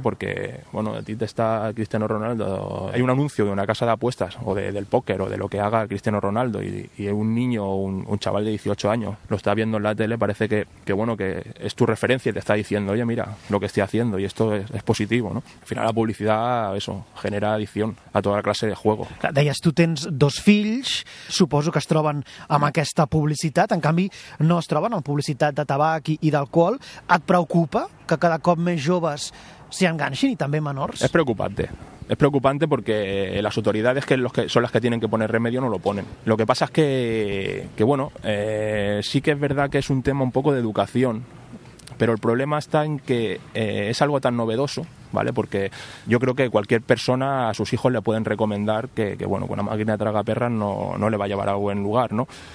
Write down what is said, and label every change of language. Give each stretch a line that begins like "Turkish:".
Spanish: Porque, bueno, a ti te está Cristiano Ronaldo, hay un anuncio de una casa de apuestas o del póker o de lo que haga Cristiano Ronaldo y un niño o un chaval de 18 años lo está viendo en la tele, parece que bueno, que es tu referencia y te está diciendo, oye, mira lo que estoy haciendo y esto es positivo, ¿no? Al final la publicidad, eso, genera adicción a toda la clase de juego.
Catalan: Deies, tu tens 2 fills, suposo que es troben amb aquesta publicitat, en canvi no es troben amb publicitat de tabac i d'alcohol. Et preocupa que cada cop més joves s'hi enganxin i també menors? És preocupant.
Spanish: Es preocupante porque las autoridades que son las que tienen que poner remedio no lo ponen. Lo que pasa es que bueno, sí que es verdad que es un tema un poco de educación, pero el problema está en que es algo tan novedoso, ¿vale? Porque yo creo que cualquier persona a sus hijos le pueden recomendar que bueno, con una máquina de tragaperras no le va a llevar a buen lugar, ¿no?